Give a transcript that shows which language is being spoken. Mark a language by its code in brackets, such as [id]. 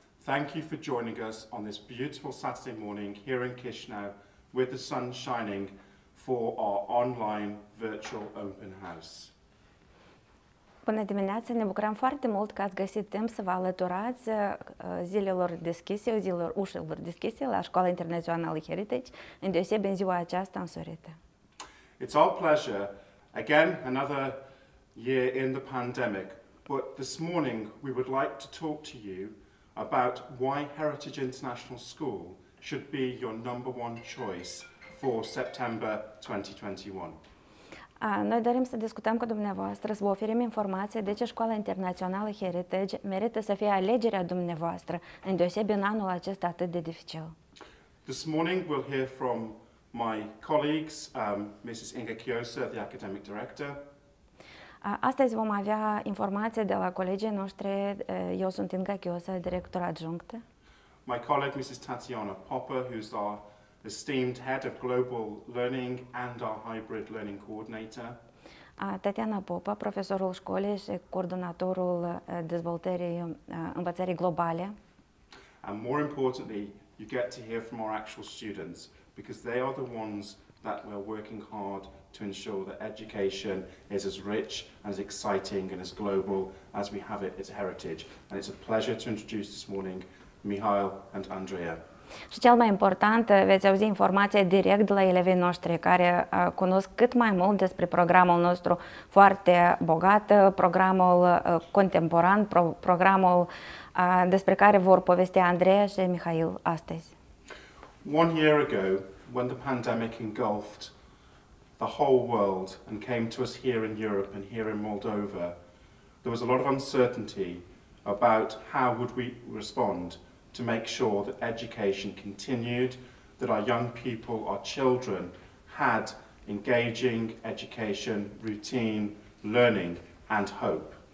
[en] Thank you for joining us on this beautiful Saturday morning here in Chișinău with the sun shining for our online virtual open house. [ro] Bună dimineața, ne bucurăm foarte mult că ați găsit timp să vă alăturați zilelor deschise, zilelor ușilor deschise la Școala Internațională Heritage, îndeosebi în ziua aceasta însorită. [en] It's our pleasure, again, another year in the pandemic, but this morning we would like to talk to you about why Heritage International School should be your number one choice for September 2021. [ro] Noi dorim să discutăm cu dumneavoastră, să vă oferim informații de ce Școala Internațională Heritage merită să fie alegerea dumneavoastră, îndeosebi în anul acesta atât de dificil. [en] This morning we'll hear from my colleagues, Mrs. Inga Chiosa, the academic director. [ro] Astăzi vom avea informații de la colegii noștri, eu sunt Inga Chiosa, directora adjunctă. [en] My colleague, Mrs. Tatiana Popper, who's our esteemed head of global learning and our hybrid learning coordinator. [ro] Tatiana Popa, profesorul școlii și coordonatorul dezvoltării învățării globale. [en] And more importantly, you get to hear from our actual students because they are the ones that we're working hard to ensure that education is as rich and as exciting and as global as we have it as Heritage. And it's a pleasure to introduce this morning Mihail and Andreea. [ro] Și cel mai important, veți auzi informația direct de la elevii noștri care cunosc cât mai mult despre programul nostru foarte bogat, programul contemporan, programul despre care vor povesti Andreea și Mihail astăzi. [en] One year ago, when the pandemic engulfed the whole world and came to us here in Europe and here in Moldova, there was a lot of uncertainty about how would we respond to make sure that education continued, that our young people, our children, had engaging education, routine, learning, and hope.